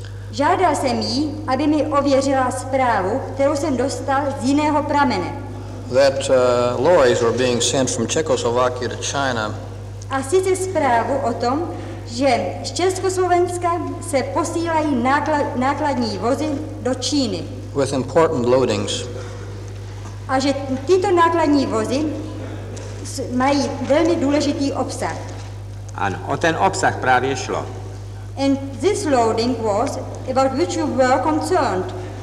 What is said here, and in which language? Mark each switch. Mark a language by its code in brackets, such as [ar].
[cs] Žádal jsem jí, aby mi ověřila zprávu, kterou jsem dostal z jiného pramene. [en] That lorries were being sent from Czechoslovakia to China. [cs] A sice zprávu o tom, že z Československa se posílají nákladní vozy do Číny. [en] With important loadings. [cs] A že tyto nákladní vozy mají velmi důležitý obsah. Ano, o ten obsah právě šlo. [en] And this loading was about which you were concerned.